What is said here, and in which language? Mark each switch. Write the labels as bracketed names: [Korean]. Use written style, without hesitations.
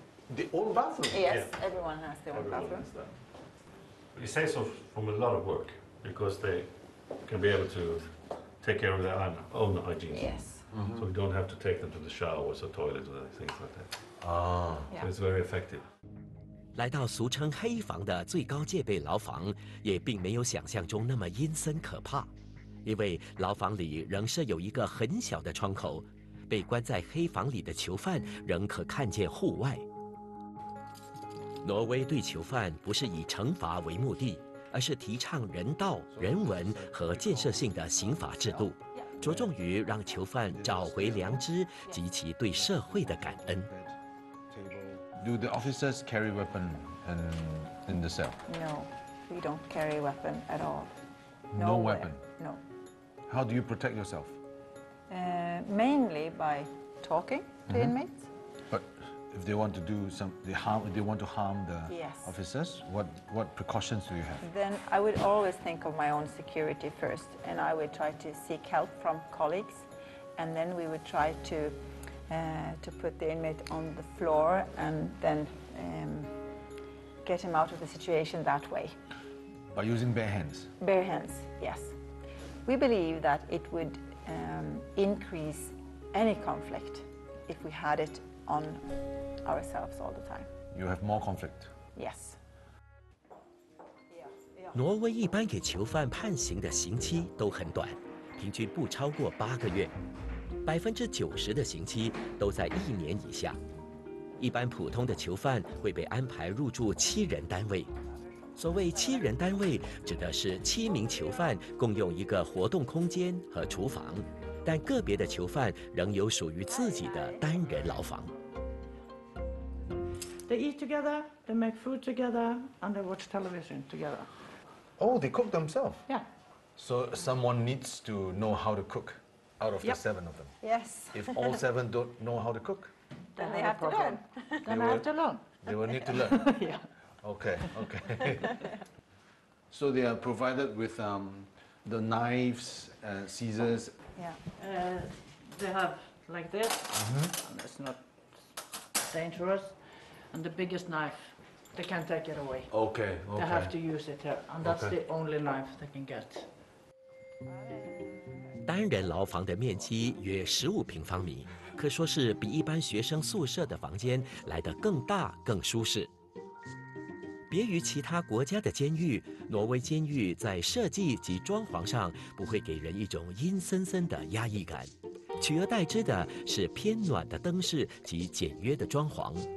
[English] The old bathroom? Yes, yeah. Everyone has the old bathroom. It saves them from a lot of work because they can be able to take care of their own hygiene. Yes. Mm-hmm. So we don't have to take them to the showers or toilets or things like that. Ah. So it's very effective. [Chinese] 来到俗称黑房的最高戒备牢房，也并没有想象中那么阴森可怕，因为牢房里仍设有一个很小的窗口，被关在黑房里的囚犯仍可看见户外。挪威对囚犯不是以惩罚为目的，而是提倡人道、人文和建设性的刑法制度，着重于让囚犯找回良知及其对社会的感恩。 [English] Do the officers carry weapon in the cell? No, we don't carry weapon at all. No, no weapon? No. How do you protect yourself? Mainly by talking to mm-hmm. inmates. But if they want to do harm the yes. officers, what precautions do you have? Then I would always think of my own security first, and I would try to seek help from colleagues, and then we would try to put the inmate on the floor and then get him out of the situation that way. By using bare hands? Bare hands, yes. We believe that it would increase any conflict if we had it on ourselves all the time. You have more conflict? Yes. [Chinese] 挪威一般给囚犯判刑的刑期都很短，平均不超过八个月。 90%的刑期都在一年以下，一般普通的囚犯会被安排入住七人单位。所谓七人单位，指的是七名囚犯共用一个活动空间和厨房，但个别的囚犯仍有属于自己的单人牢房。 [English] They eat together, they make food together, and they watch television together. Oh, they cook themselves. Yeah. So someone needs to know how to cook. Out of the seven of them. Yes. If all seven don't know how to cook, then they have to learn. Then they have to learn. They will need to learn. Yeah. Okay, okay. So they are provided with the knives, scissors. Yeah. They have like this. Mm-hmm. It's not dangerous. And the biggest knife, they can't take it away. Okay, okay. They have to use it here. And that's the only knife they can get. [Chinese] 单人牢房的面积约15平方米，可说是比一般学生宿舍的房间来得更大更舒适。别于其他国家的监狱，挪威监狱在设计及装潢上不会给人一种阴森森的压抑感，取而代之的是偏暖的灯饰及简约的装潢。